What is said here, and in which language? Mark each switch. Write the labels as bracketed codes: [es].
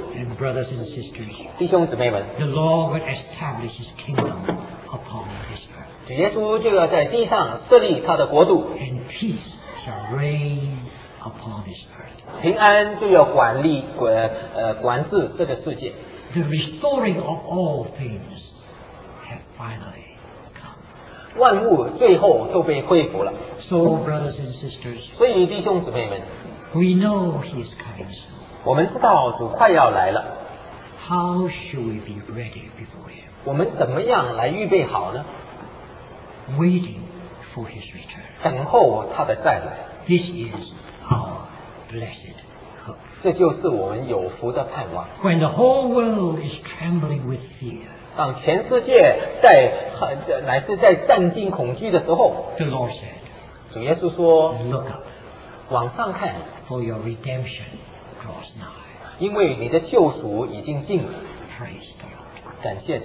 [en] And brothers and sisters, [zh] 弟兄姊妹们 [en] the Lord will establish His kingdom upon this earth. [zh] 主耶稣就要在地上设立他的国度。 [en] And peace shall reign upon this earth. [zh] 平安就要管治这个世界。 [en] The restoring of all things have finally come. [zh] 万物最后都被恢复了。 [en] So, brothers and sisters, [zh] 所以弟兄姊妹们 [en] we know he is coming soon. [zh] 我们知道主快要来了。 [en] How should we be ready before him? [zh] 我们怎么样来预备好呢？ [en] Waiting for his return. [zh] 等候他的再来。 [en] This is our blessed hope. [zh] 这就是我们有福的盼望。 [en] When the whole world is trembling with fear. [zh] 当全世界在乃是在战惊恐惧的时候 [en] the Lord said, [zh] 主耶稣说 [en] Look up, [zh] 往上看 [en] for your redemption draws nigh. [zh] 因为你的救赎已经近了 [en] Praise the Lord. [zh] 感谢主